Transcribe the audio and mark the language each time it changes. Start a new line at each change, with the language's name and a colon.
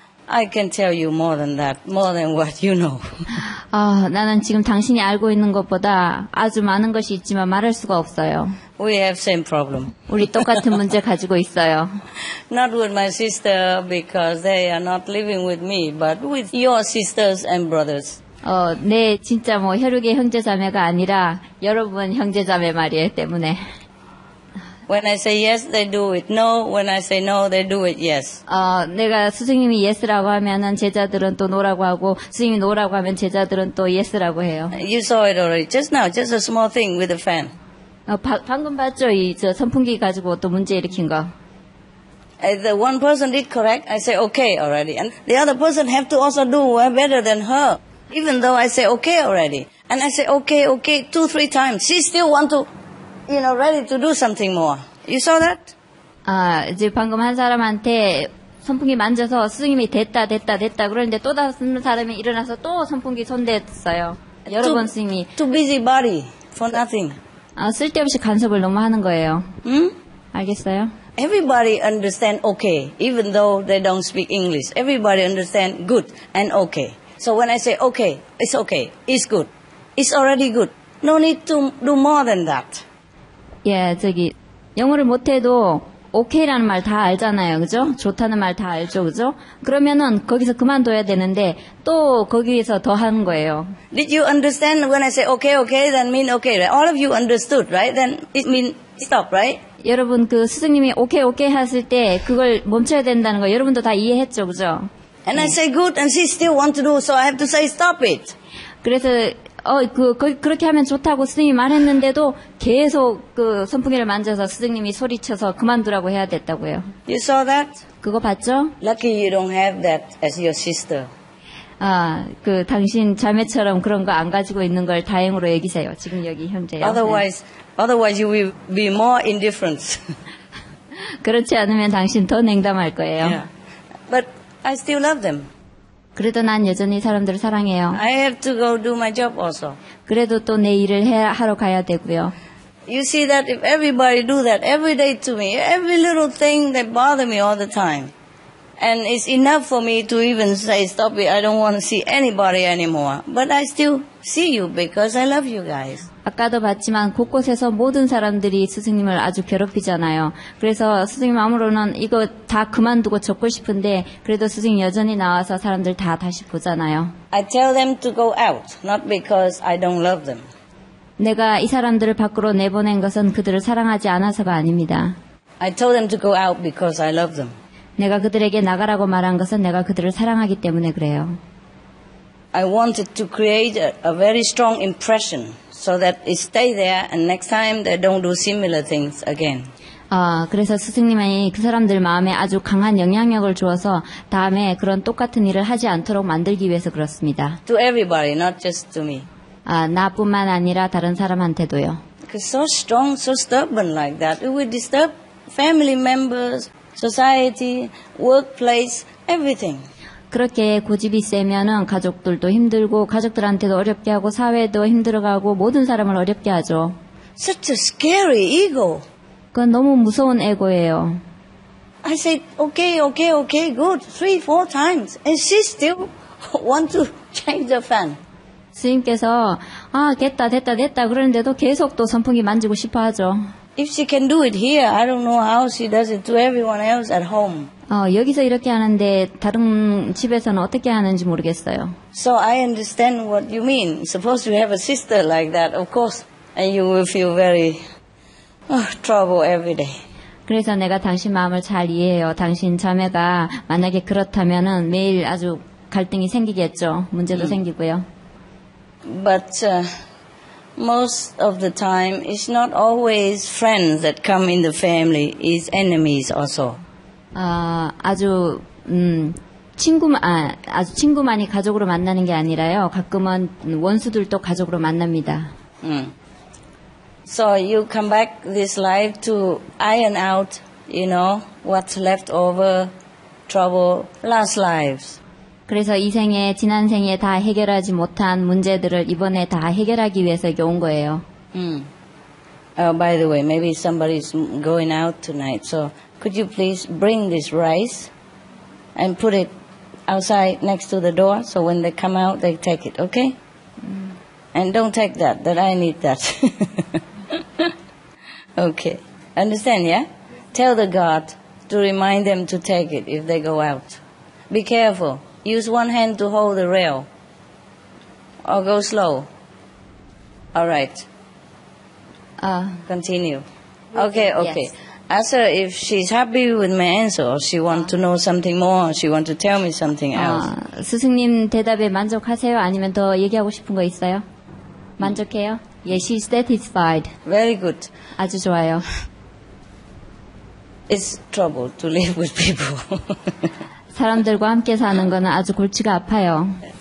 English: I can tell you more than that, more than what you know.
Korean: 아, 나는 지금 당신이 알고 있는 것보다 아주 많은 것이 있지만 말할 수가 없어요.
English: We have same problem.
Korean: 우리 똑같은 문제 가지고 있어요.
English: Not with my sister because they are not living with me, but with your sisters and brothers.
Korean: 네, 진짜 뭐 혈육의 형제 자매가 아니라 여러분 형제 자매 말이에요 때문에.
English: When I say yes, they do it. No, when I say no, they do it. Yes.
Korean: 내가 스승님이 yes라고 하면은 제자들은 또 no라고 하고 스승님이 no라고 하면 제자들은 또 yes라고 해요.
English: You saw it already. Just now, just a small thing with a fan.
Korean: 방금 봤죠? 이 저 선풍기 가지고 또 문제 일으킨 거.
English: The one person did correct. I say okay already. And the other person have to also do well better than her. Even though I say okay already. And I say okay, okay, two, three times. She still want to, you know, ready to do something more. You saw that?
Korean: 이제 방금 한 사람한테 선풍기 만져서 스승님이 됐다, 됐다, 됐다 그러는데 또 다른 사람이 일어나서 또 선풍기 손댔어요. 여러 번 스승님이.
English: Too busy body for nothing.
Korean: 쓸데없이 간섭을 너무 하는 거예요. 알겠어요?
English: Everybody understand okay, even though they don't speak English. Everybody understand good and okay. So when I say okay, it's good. It's already good. No need to do more than that.
Korean: 예, 저기 영어를 못해도 okay라는 말 다 알잖아요, 그죠? 좋다는 말 다 알죠, 그죠? 그러면은 거기서 그만둬야 되는데 또 거기에서 더 하는 거예요.
English: Did you understand when I say okay, then mean okay, right? All of you understood, right? Then it mean stop, right?
Korean: 여러분 그 스승님이 okay 하실 때 그걸 멈춰야 된다는 거 여러분도 다 이해했죠, 그죠?
English: And I say good, and she still want to do, so I have to say stop it.
Korean: 그래서 그렇게 하면 좋다고 스승님이 말했는데도 계속 그 선풍기를 만져서 스승님이 소리쳐서 그만두라고 해야 됐다고요.
English: You saw that?
Korean: 그거 봤죠?
English: Lucky you don't have that as your sister.
Korean: 그 당신 자매처럼 그런 거 안 가지고 있는 걸 다행으로 여기세요. 지금 여기 현재요.
English: Otherwise you will be more indifferent.
Korean: 그렇지 않으면 당신 더 냉담할 거예요.
English: Yeah. But I still love them.
Korean: 그래도 난 여전히 사람들을 사랑해요.
English: I have to go do my job also.
Korean: 그래도 또 내 일을 하러 가야 되고요.
English: You see that if everybody do that every day to me, every little thing that bother me all the time, and it's enough for me to even say, stop it, I don't want to see anybody anymore. But I still see you because I love you guys.
Korean: 아까도 봤지만 곳곳에서 모든 사람들이 스승님을 아주 괴롭히잖아요. 그래서 스승님 마음으로는 이거 다 그만두고 접고 싶은데 그래도 스승님 여전히 나와서 사람들 다 다시 보잖아요.
English: I tell them to go out, not because I don't love them.
Korean: 내가 이 사람들을 밖으로 내보낸 것은 그들을 사랑하지 않아서가 아닙니다.
English: I told them to go out because I love them.
Korean: 내가 그들에게 나가라고 말한 것은 내가 그들을 사랑하기 때문에 그래요.
English: I wanted to create a very strong impression so that it stay there and next time they don't do similar things again.
Korean: 그래서 스승님이 그 사람들 마음에 아주 강한 영향력을 주어서 다음에 그런 똑같은 일을 하지 않도록 만들기 위해서 그렇습니다.
English: To everybody, not just to me.
Korean: 나뿐만 아니라 다른 사람한테도요.
English: So strong, so stubborn like that. It would disturb family members, society, workplace, everything.
Korean: 그렇게 고집이 세면은 가족들도 힘들고 가족들한테도 어렵게 하고 사회도 힘들어가고 모든 사람을 어렵게 하죠.
English: Such a scary ego.
Korean: 그건 너무 무서운 에고예요.
English: I said, okay, okay, okay, good, 3-4 times. And she still wants to change the fan.
Korean: 스님께서 아 됐다 됐다 됐다 그러는데도 계속 또 선풍기 만지고 싶어 하죠.
English: If she can do it here, I don't know how she does it to everyone else at home.
Korean: 여기서 이렇게 하는데 다른 집에서는 어떻게 하는지 모르겠어요.
English: So I understand what you mean. Suppose you have a sister like that, of course, and you will feel very trouble every day.
Korean: 그래서 내가 당신 마음을 잘 이해해요. 당신 자매가 만약에 그렇다면은 매일 아주 갈등이 생기겠죠. 문제도 생기고요.
English: But most of the time, it's not always friends that come in the family. It's enemies also.
Korean: 아주 친구만이 가족으로 만나는 게 아니라요. 가끔은 원수들도 가족으로 만납니다.
English: So you come back this life to iron out, you know, what's left over, trouble, last lives.
Korean: 그래서 이 생에 지난 생에 다 해결하지 못한 문제들을 이번에 다 해결하기 위해서 여기 온 거예요.
English: By the way, maybe somebody's going out tonight. So could you please bring this rice and put it outside next to the door so when they come out they take it, okay? And don't take that I need that. Okay. Understand, yeah? Tell the guard to remind them to take it if they go out. Be careful. Use one hand to hold the rail. Or go slow. All right. Continue. Okay, okay. Yes. Ask her if she's happy with my answer or she wants to know something more. She wants to tell me something else.
Korean: 스승님 대답에 만족하세요? 아니면 더 얘기하고 싶은 거 있어요? 만족해요?
English: Yes, she's satisfied. Very good.
Korean: 아주 좋아요.
English: It's trouble to live with people.
Korean: 사람들과 함께 사는 거는 아주 골치가 아파요.